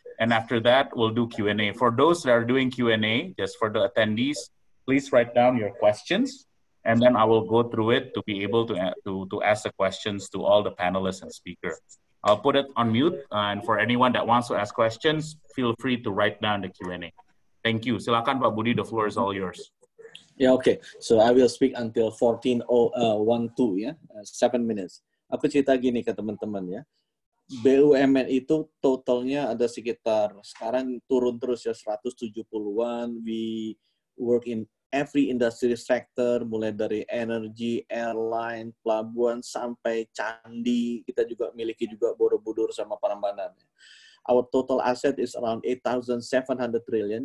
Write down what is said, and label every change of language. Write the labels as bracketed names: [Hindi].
[English] And after that, we'll do Q&A. For those that are doing Q&A, just for the attendees, please write down your questions, and then I will go through it to be able to ask the questions to all the panelists and speakers. I'll put it on mute, and for anyone that wants to ask questions, feel free to write down the Q&A. Thank you. Silakan, Pak Budi, the floor is all yours. Yeah, okay. So I will speak until 14:12, yeah? 7 minutes. [Indonesian] Aku cerita gini ke teman-teman, ya. BUMN itu totalnya ada sekitar, sekarang turun terus ya, 170-an. [English] We work in every industry sector, [Indonesian] mulai dari [English] energy, airline, [Indonesian] pelabuhan, sampai candi. Kita juga miliki juga Borobudur sama Prambanan. [English] Our total asset is around 8,700 trillion.